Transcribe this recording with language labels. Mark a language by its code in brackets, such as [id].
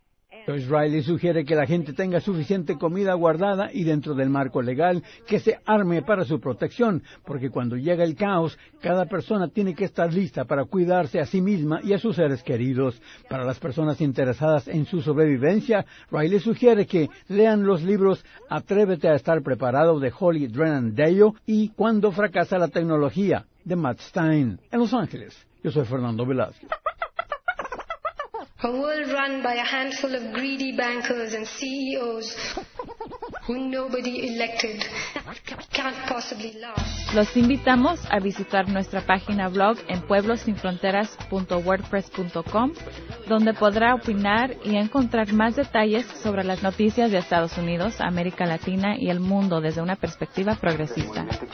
[es] Entonces Riley sugiere que la gente tenga suficiente comida guardada y dentro del marco legal que se arme para su protección, porque cuando llega el caos, cada persona tiene que estar lista para cuidarse a sí misma y a sus seres queridos. Para las personas interesadas en su sobrevivencia, Riley sugiere que lean los libros Atrévete a estar preparado de Holly Drennan Dale y Cuando fracasa la tecnología de Matt Stein. En Los Ángeles, yo soy Fernando Velázquez. [en] A world run by a handful of greedy bankers and CEOs who nobody elected can't possibly last. [es] Los invitamos a visitar nuestra página blog en pueblosinfronteras.wordpress.com, donde podrá opinar y encontrar más detalles sobre las noticias de Estados Unidos, América Latina y el mundo desde una perspectiva progresista.